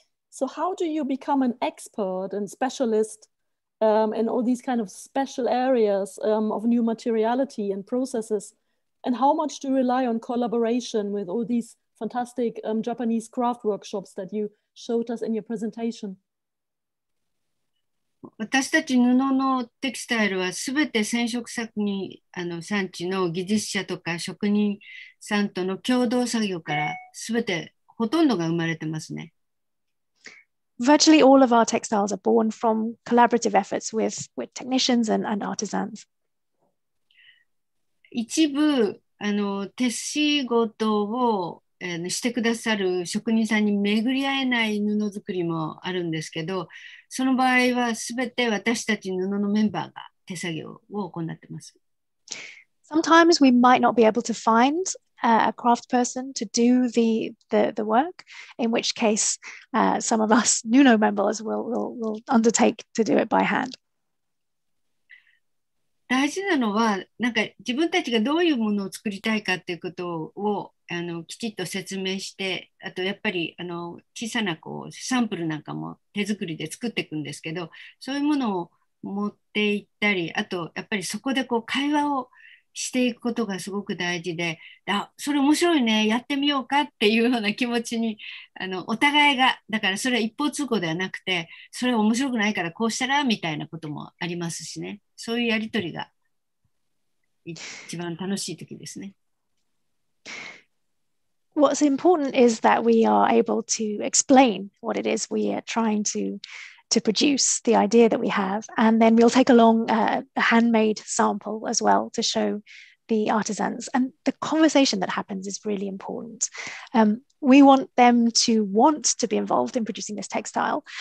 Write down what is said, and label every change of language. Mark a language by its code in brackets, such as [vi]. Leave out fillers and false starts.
[en] So how do you become an expert and specialist in all these kind of special areas of new materiality and processes? And how much do you rely on collaboration with all these fantastic Japanese craft workshops that you showed us in your presentation? [ja] 私たち布のテキスタイルはすべて染色作に産地の技術者とか職人さんとの共同作業からすべてほとんどが生まれてますね。 [en] Virtually all of our textiles are born from collaborative efforts with technicians and artisans. [ja] 一部手仕事をしてくださる職人さんに巡り合えない布作りもあるんですけど、その場合はすべて私たち布のメンバーが手作業を行ってます。 [en] Sometimes we might not be able to find a craft person to do the work, in which case some of us Nuno members will undertake to do it by hand. [ja] 大事なのは、なんか自分たちがどういうものを作りたいかということをきちっと説明して、あとやっぱり小さなこうサンプルなんかも手作りで作っていくんですけど、そういうものを持っていったり、あとやっぱりそこでこう会話をしていくことがすごく大事で、あ、それ面白いね、やってみようかっていうような気持ちにお互いが、だからそれは一方通行ではなくて、それは面白くないからこうしたらみたいなこともありますしね。そういうやりとりが一番楽しい時ですね。 [en] What's important is that we are able to explain what it is we are trying to produce, the idea that we have, and then we'll take along a handmade sample as well to show the artisans. And the conversation that happens is really important. We want them to want to be involved in producing this textile.